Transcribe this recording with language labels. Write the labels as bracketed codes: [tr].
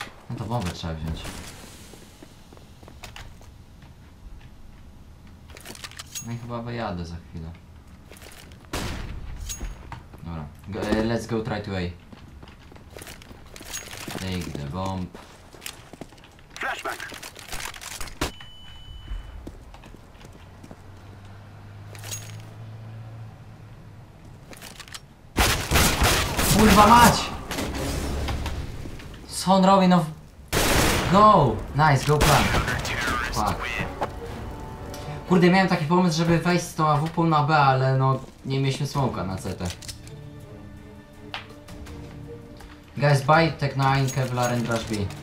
[pl] No to bombę trzeba wziąć. No i chyba wyjadę za chwilę. Dobra, [en] let's go right away. Take the bomb. Flashback. [pl] Kurwa mać! Co on robi, no... [en] Go! Nice, go plan. Fuck. [pl] Kurde, miałem taki pomysł, żeby wejść z tą AWP na B, ale no nie mieliśmy smoka na CT. [en] Guys, buy Tech 9 Kevlar and Rush B.